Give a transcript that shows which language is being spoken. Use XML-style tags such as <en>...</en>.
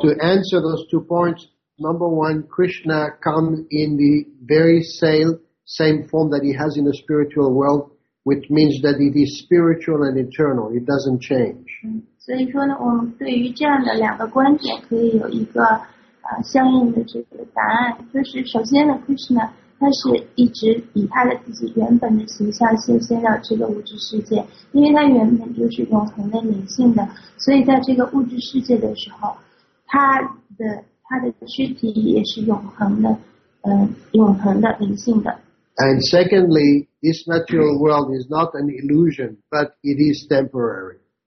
<en>to answer those two points, number one, Krishna come in the very same form that he has in the spiritual world, which means that it is spiritual and eternal. It doesn't change.</en> <zh>所以说呢，我们对于这样的两个观点可以有一个相应的这个答案。就是首先呢， Krishna 他是一直以他的自己原本的形象现身到这个物质世界，因为他原本就是永恒的灵性的，所以在这个物质世界的时候，他的躯体也是永恒的，永恒的灵性的。</zh> <en>And secondly, this material world is not an illusion, but it is temporary.</en>